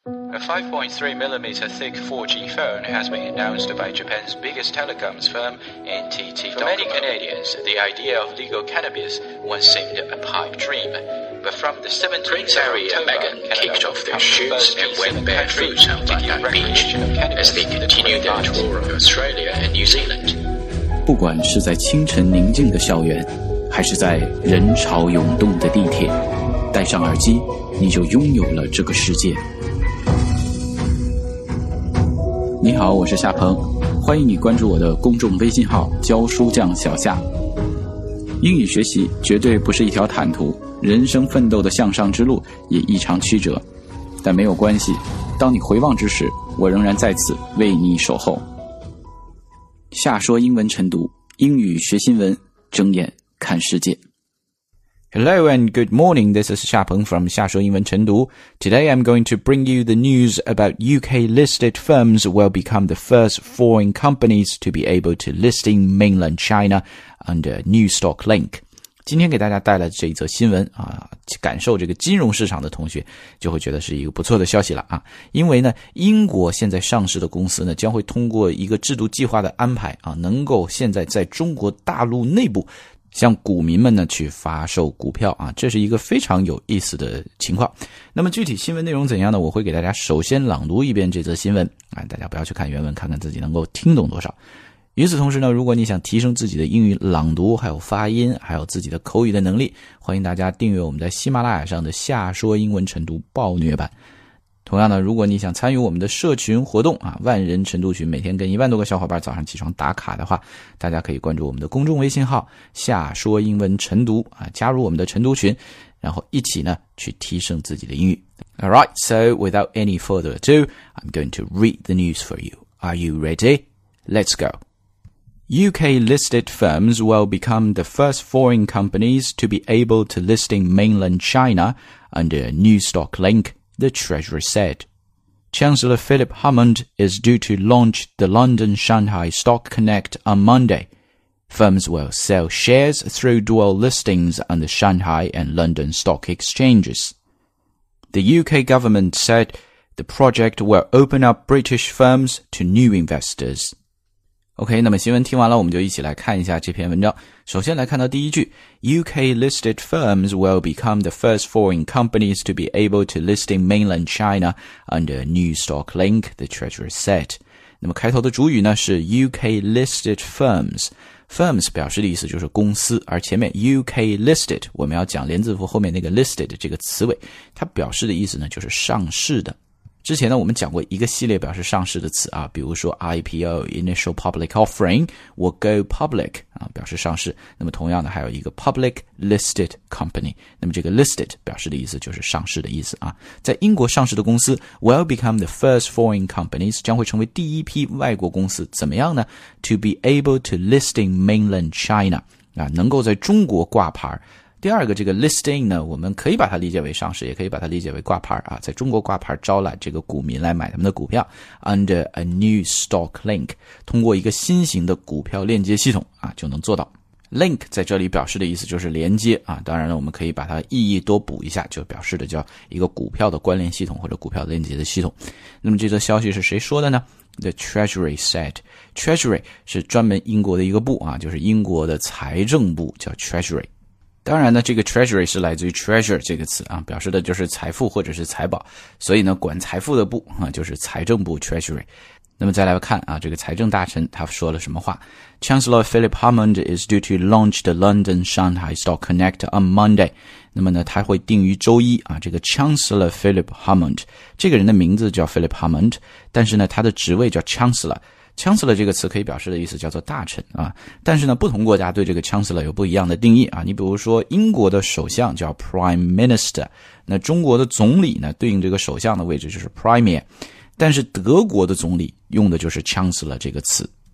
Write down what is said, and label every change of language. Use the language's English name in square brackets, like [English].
[English] A 5.3mm thick 4G phone has been announced by Japan's biggest telecoms firm, NTT Docomo. For many Canadians, the idea of legal cannabis once seemed a pipe dream. But from the 17th Harry and Meghan kicked off their shoots and went barefoot on Bondi Beach as they continued their tour of Australia and New Zealand. [Chinese] 不管是在清晨宁静的校园，还是在人潮涌动的地铁，戴上耳机，你就拥有了这个世界。你好，我是夏鹏，欢迎你关注我的公众微信号教书匠小夏。英语学习绝对不是一条坦途，人生奋斗的向上之路也异常曲折，但没有关系，当你回望之时，我仍然在此为你守候。夏说英文晨读，英语学新闻，睁眼看世界。 [English] Hello and good morning, this is Xiaopeng from 夏说英文晨读. Today I'm going to bring you the news about UK-listed firms will become the first foreign companies to be able to list in mainland China under New Stock Link. [Chinese] 今天给大家带来这一则新闻啊，感受这个金融市场的同学就会觉得是一个不错的消息了啊，因为呢，英国现在上市的公司呢，将会通过一个制度计划的安排啊，能够现在在中国大陆内部向股民们呢去发售股票啊，这是一个非常有意思的情况。那么具体新闻内容怎样呢？我会给大家首先朗读一遍这则新闻啊，大家不要去看原文，看看自己能够听懂多少。与此同时呢，如果你想提升自己的英语朗读、还有发音、还有自己的口语的能力，欢迎大家订阅我们在喜马拉雅上的夏说英文晨读暴虐版。同样呢，如果你想参与我们的社群活动啊，万人晨读群，每天跟10000多个小伙伴早上起床打卡的话，大家可以关注我们的公众微信号夏说英文晨读啊，加入我们的晨读群，然后一起呢去提升自己的英语。 [English] Alright, so without any further ado, I'm going to read the news for you. Are you ready? Let's go. UK-listed firms will become the first foreign companies to be able to list in mainland China under a new stock link. The Treasury said. Chancellor Philip Hammond is due to launch the London-Shanghai Stock Connect on Monday. Firms will sell shares through dual listings on the Shanghai and London stock exchanges. The UK government said the project will open up British firms to new investors. [Chinese] OK, 那么新闻听完了，我们就一起来看一下这篇文章。首先来看到第一句， [English] UK-listed firms will become the first foreign companies to be able to list in mainland China under a new stock link, the Treasury said. [Chinese] 那么开头的主语呢是 UK-listed firms。 Firms 表示的意思就是公司，而前面 UK-listed, 我们要讲连字符后面那个 listed 这个词尾，它表示的意思呢就是上市的。之前呢我们讲过一个系列表示上市的词啊，比如说 IPO, Initial Public Offering, 我 go public, 啊表示上市。那么同样的还有一个 Public Listed Company, 那么这个 listed 表示的意思就是上市的意思啊。在英国上市的公司 [English] will become the first foreign companies, [Chinese] 将会成为第一批外国公司，怎么样呢？ [English] To be able to list in mainland China, [Chinese] 啊能够在中国挂牌。第二个这个 listing 呢，我们可以把它理解为上市，也可以把它理解为挂牌啊，在中国挂牌招揽这个股民来买他们的股票 ， [English] under a new stock link， [Chinese] 通过一个新型的股票链接系统啊，就能做到。 link 在这里表示的意思就是连接啊，当然了，我们可以把它意义多补一下，就表示的叫一个股票的关联系统或者股票链接的系统。那么这则消息是谁说的呢？ [English] The Treasury said. [Chinese] Treasury 是专门英国的一个部啊，就是英国的财政部叫 Treasury。当然呢，这个 treasury 是来自于 treasure 这个词啊，表示的就是财富或者是财宝，所以呢，管财富的部啊就是财政部 treasury。那么再来看啊，这个财政大臣他说了什么话 ？ [English] Chancellor Philip Hammond is due to launch the London Shanghai Stock Connect on Monday。 [Chinese] 那么呢，他会定于周一啊。这个 Chancellor Philip Hammond 这个人的名字叫 Philip Hammond， 但是呢，他的职位叫 Chancellor。 Chancellor 这个词可以表示的意思叫做大臣啊，但是呢，不同国家对这个 Chancellor 有不一样的定义啊。你比如说，英国的首相叫 Prime Minister， 那中国的总理呢，对应这个首相的位置就是 Premier， 但是德国的总理用的就是 Chancellor 这个词。